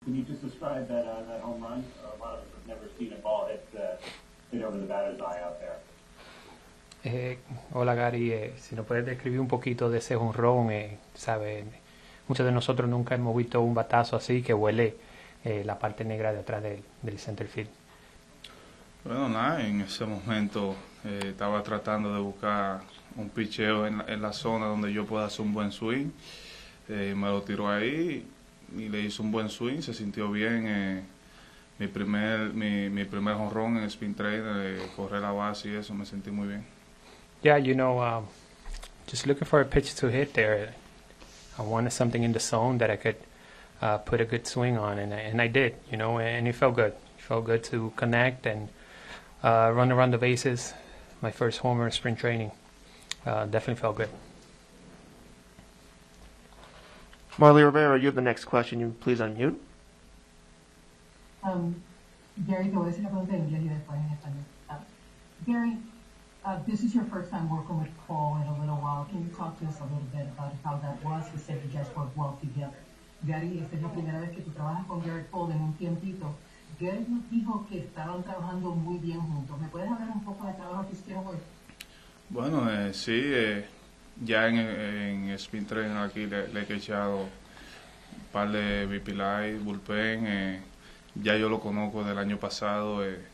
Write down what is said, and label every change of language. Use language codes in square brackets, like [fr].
[en] Can you just describe that that home run? A lot of us have never seen a ball hit over the batter's eye out there. [es] Hola Gary, si nos puedes describir un poquito de ese jonrón, ¿sabes? Muchos de nosotros nunca hemos visto un batazo así que huele la parte negra de atrás del center field. Bueno, nada, en ese momento estaba tratando de buscar un picheo en la zona donde yo pueda hacer un buen swing. Me lo tiró ahí y le hizo un buen swing, se sintió bien. Mi primer jonrón en el spin trainer, correr la base y eso, me sentí muy bien. [en] Yeah, just looking for a pitch to hit there. I wanted something in the zone that I could put a good swing on, and I did, and it felt good. It felt good to connect and run around the bases. My first homer in spring training. Definitely felt good. Marley Rivera, you have the next question. You please unmute. [es] Gary, te voy a decir una pregunta en inglés y después en español. [en] Gary, this is your first time working with Paul in a little while. Can you talk to us a little bit about how that was? You said you guys worked well together. [es] Gary, esta es la primera vez que tú trabajas con Gary Paul en un tiempito. Gary nos dijo que estaban trabajando muy bien juntos. ¿Me puedes hablar un poco del trabajo que hicieron hoy? Bueno, sí, ya en spin training aquí le he echado un par de BP Light, bullpen, ya yo lo conozco del año pasado.